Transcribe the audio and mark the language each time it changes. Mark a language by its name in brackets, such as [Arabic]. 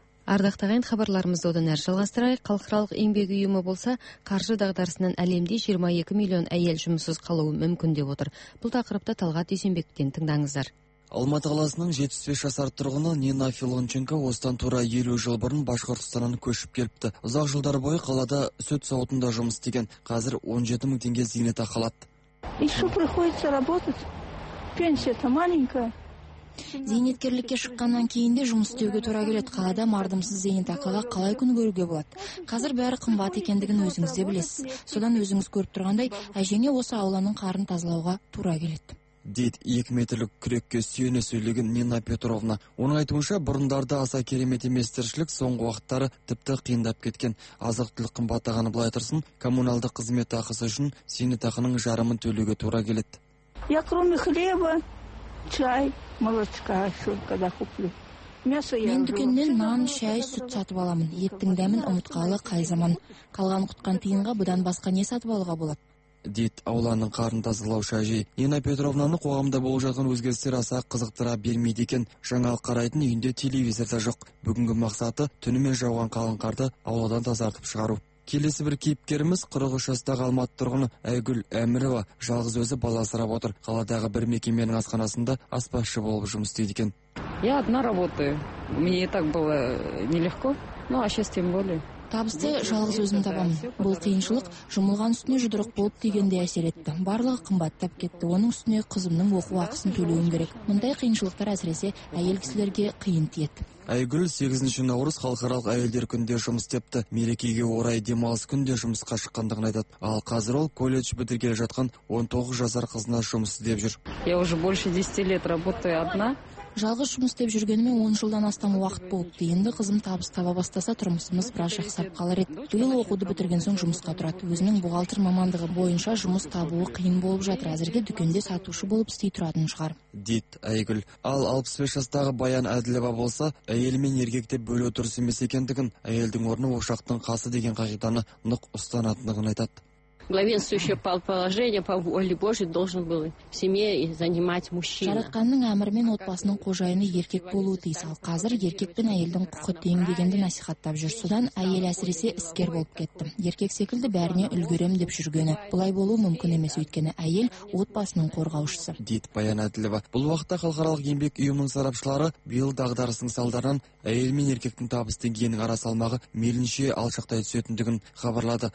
[Kazakh] Ардақтаған хабарларымызды одан әрі жалғастырайық. Халықаралық еңбек ұйымы болса, қаржы дағдарысынан әлемде 22 миллион әйел жұмыссыз қалуы мүмкін деп отыр. Бұл тақырыпты Талғат Дүйсенбектен тыңдаңыздар. Алматы қаласының 75 жасар тұрғыны Нина Филонченко осыдан тура 50 жыл бұрын Башқұртстаннан көшіп келіпті. Ұзақ жылдар бойы қалада сүт сауытында жұмыс істеген, қазір 17 мың теңге зейнетақы алады. [Russian] Еще приходится работать. Пенсия-то маленькая. [Kazakh] Зейнеткерлікке шыққаннан кейін де жұмыс істеуге тура келеді. Қалада мардымсыз зейнетақыға қалай күн көруге болады? Қазір бәрі қымбат екендігін өзіңіз де білесіз. Содан өзіңіз көріп тұрғандай, әжеңе осы ауланың қарын тазалауға тура келеді. Дейді 2 метрлік күрекке сүйене сөйлеген Нина Петровна. Оның айтуынша, бұрындарда аса керемет емес тіршілік соңғы уақыттары тіпті қиындап кеткен. Азық-түлік қымбаттағаны былай тұрсын, коммуналдық қызмет ақысы үшін зейнетақының жарымын төлеуге тура келеді. [Russian] Я кроме хлеба, чай, молочка, еще когда куплю. [Kazakh] Мен дүкеннен нан, шай, сүт сатып аламын. Еттің дәмін ұмытқалы қай заман. Қалған құтқан тиынға бұдан басқа не сатып алуға болады? Дейт ауланың қарын тазылаушы әжей. Нина Петровнаны қоғамда болып жатқан өзгерістер аса қызықтыра бермейді екен. Жаңалық қарайтын үйінде телевизор да жоқ. Бүгінгі мақсаты түнімен жауған қалың қарды ауладан тазартып шығару. Келесі бір кейіпкеріміз 43 жастағы Алматы тұрғыны Айгүл Әмірова жалғыз өзі бала асырап отыр. Қаладағы бір мекеменің асханасында аспазшы болып жұмыс істейді екен. [Russian] Я одна работаю. Мне и так было нелегко, ну а сейчас тем более. [Kazakh] Табысты жалғыз өзім табамын. Бұл қиыншылық жұмылған үстіне жұдырық болып дегенде әсер етті. Барлығы қымбаттап кетті. Оның үстіне қызымның оқу ақысын төлеуім керек. Мұндай қиыншылықтар әсіресе әйел кісілерге қиын тиеді. Айгүл 8-ші наурыз халықаралық әйелдер күнінде жұмыс істепті. Мерекеге орай демалыс күнінде жұмысқа шыққандығын айтады. Ал қазір ол колледж бітірген келе жатқан 19 жасар қызына жұмыс іздеп жүр. [Russian] Я уже больше 10 лет работаю одна. [Kazakh] Жалғыз жұмыс істеп жүргеніме 10 жылдан астам уақыт болды. Енді қызым табыс таба бастаса тұрмысымыз біраз жақсарып қалар еді. Түгел оқуды бітірген соң жұмысқа тұрады. Өзінің бухгалтер мамандығы бойынша жұмыс табуы қиын болып жатыр. Әзірге дүкенде сатушы болып істей тұратын шығар. Дит Айгүл. Ал 65 жастағы Баян Әділова болса, әйелі мен еркекті бөле тұрсы емес екендігін, әйелдің орны ошақтың қасы деген қағиданы нық ұстанатындығын айтады. [Russian] Главенствующее положение по воле Божьей должен был в семье занимать мужчина. [Kazakh] Жаратқанның әмірімен отбасының қожайыны еркек болуы тиіс. Ал қазір еркек пен әйелдің құқы тең дегенді насихаттап жүр. Содан әйел әсіресе іскер болып кетті. Еркек секілді бәріне үлгерем деп жүргені. Бұлай болу мүмкін емес, өйткені әйел отбасының қорғаушысы. Дит Баян Әділова. Бұл уақытта халықаралық еңбек ұйымының сарапшылары биыл дағдарыстың салдарынан әйел мен еркектің табыс деңгейінің арасалмағы мейлінше алшақтай түсетіндігін хабарлады.